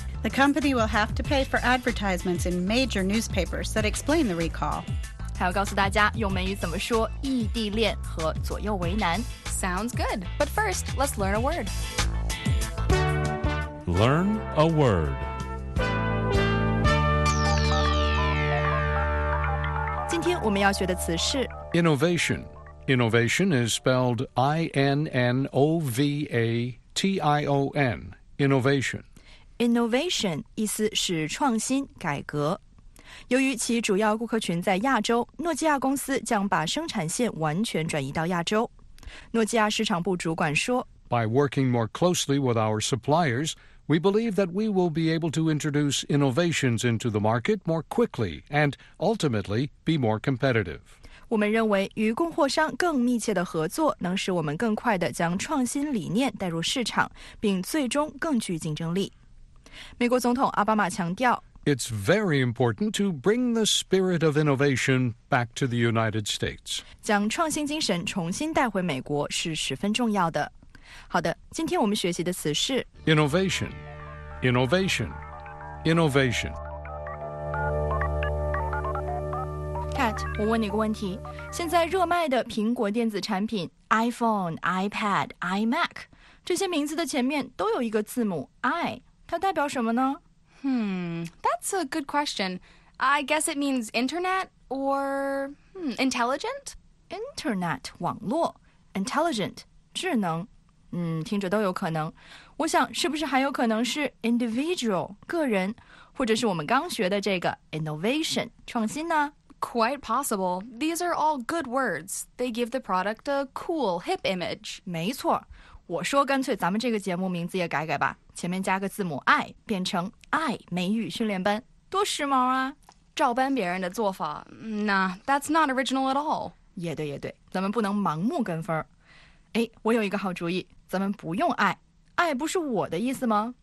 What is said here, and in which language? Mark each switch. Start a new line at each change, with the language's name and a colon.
English: The company will have to pay for advertisements in major newspapers that explain the recall.
Chinese: 还要告诉大家用美语怎么说异地恋和左右为难。
English: Sounds good. But first, let's learn a word. Learn a word.
Chinese: 今天我们要学的词是
English: innovation. Innovation is spelled I-N-N-O-V-A-T-I-O-N. Innovation.
Chinese: Innovation 意思是创新、改革。由于其主要顾客群在亚洲，诺基亚公司将把生产线完全转移到亚洲。诺基亚市场部主管说
English: By working more closely with our suppliers, we believe that we will be able to introduce innovations into the market more quickly and ultimately be more competitive.
Chinese: 我们认为与供货商更密切的合作能使我们更快地将创新理念带入市场，并最终更具竞争力。美国总统奥巴马强调
English: It's very important to bring the spirit of innovation back to the United States.
Chinese: 将创新精神重新带回美国是十分重要的。好的，今天我们学习的词是
English: Innovation, innovation, innovation.
Chinese: Kat, 我问你个问题。现在热卖的苹果电子产品 iPhone, iPad, iMac, 这些名字的前面都有一个字母 I. 它代表什么呢？
English: That's a good question. I guess it means internet or intelligent?
Chinese: Internet, 网络。Intelligent, 智能。听着都有可能。我想是不是还有可能是 individual, 个人，或者是我们刚学的这个 innovation, 创新呢？
English: Quite possible. These are all good words. They give the product a cool, hip image.
Chinese: 没错。我说干脆咱们这个节目名字也改改吧，前面加个字母 I 变成 I 美语训练班，多时髦啊。照搬别人的做法
English: Nah, that's not original at all.
Chinese: 也对也对，咱们不能盲目跟风。哎，我有一个好主意，咱们不用 I 不是我的意思吗？